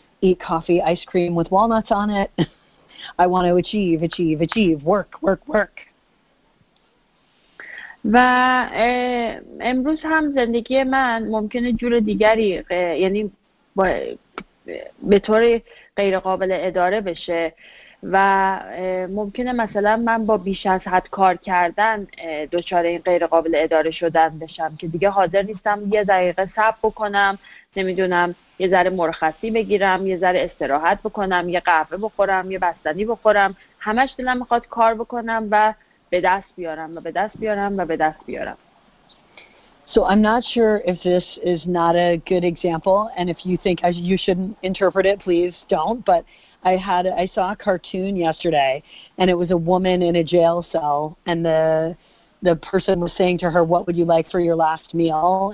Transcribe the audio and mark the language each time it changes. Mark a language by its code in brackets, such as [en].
[en] Eat coffee, ice cream with walnuts on it. I want to achieve, achieve, achieve. Work, work, work. [fa] و امروز هم زندگی من ممکنه جور دیگری یعنی به طور غیر قابل اداره بشه و ممکنه مثلا من با بیش از حد کار کردن دچار این غیر قابل اداره شدن بشم که دیگه حاضر نیستم یه دقیقه صبر بکنم، نمیدونم یه ذره مرخصی بگیرم، یه ذره استراحت بکنم، یه قهوه بخورم، یه بستنی بخورم، همش دلم میخواد کار بکنم و به دست بیارم و به دست بیارم و به دست بیارم. [en] So I'm not sure if this is not a good example and if you think you shouldn't interpret it, please don't, but I saw a cartoon yesterday and it was a woman in a jail cell and the person was saying to her, what would you like for your last meal?